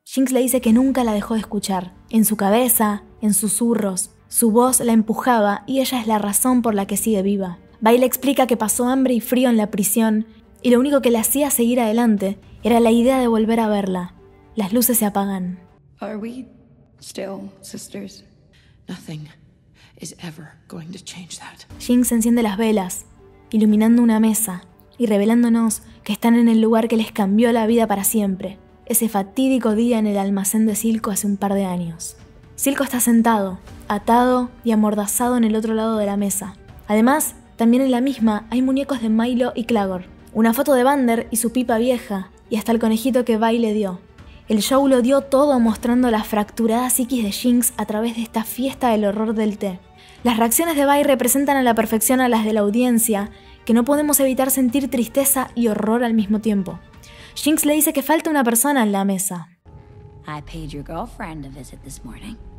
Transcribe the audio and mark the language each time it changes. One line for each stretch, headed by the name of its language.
Spanish: Jinx le dice que nunca la dejó de escuchar. En su cabeza, en susurros, su voz la empujaba y ella es la razón por la que sigue viva. Bai le explica que pasó hambre y frío en la prisión, y lo único que le hacía seguir adelante era la idea de volver a verla. Las luces se apagan.
English: Are we still sisters? Nothing is ever going to change that.
Spanish: Jinx enciende las velas, iluminando una mesa y revelándonos que están en el lugar que les cambió la vida para siempre. Ese fatídico día en el almacén de Silco hace un par de años. Silco está sentado, atado y amordazado en el otro lado de la mesa. Además, también en la misma hay muñecos de Milo y Clagor. Una foto de Vander y su pipa vieja, y hasta el conejito que Bai le dio. El show lo dio todo mostrando la fracturada psiquis de Jinx a través de esta fiesta del horror del té. Las reacciones de Bai representan a la perfección a las de la audiencia, que no podemos evitar sentir tristeza y horror al mismo tiempo. Jinx le dice que falta una persona en la mesa.
English: I paid your girlfriend a visit this morning.